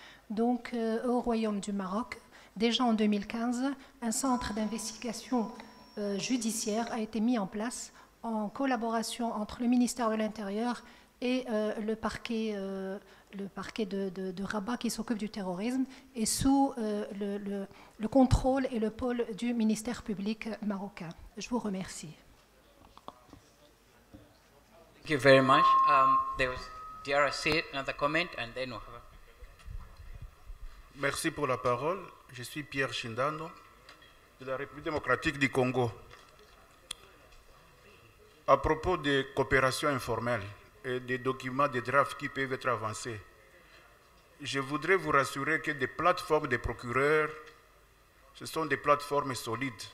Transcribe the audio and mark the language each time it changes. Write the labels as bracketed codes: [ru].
[fr] Donc, au Royaume du Maroc, déjà en 2015, un centre d'investigation judiciaire a été mis en place en collaboration entre le ministère de l'Intérieur et le parquet de Rabat qui s'occupe du terrorisme, et sous le contrôle et le pôle du ministère public marocain. Je vous remercie. [en] Thank you very much. There was DRC, another comment, and then we'll have a... [fr] Merci pour la parole. Je suis Pierre Chindano, de la République démocratique du Congo. À propos des coopérations informelles et des documents, des drafts qui peuvent être avancés, je voudrais vous rassurer que des plateformes des procureurs, ce sont des plateformes solides.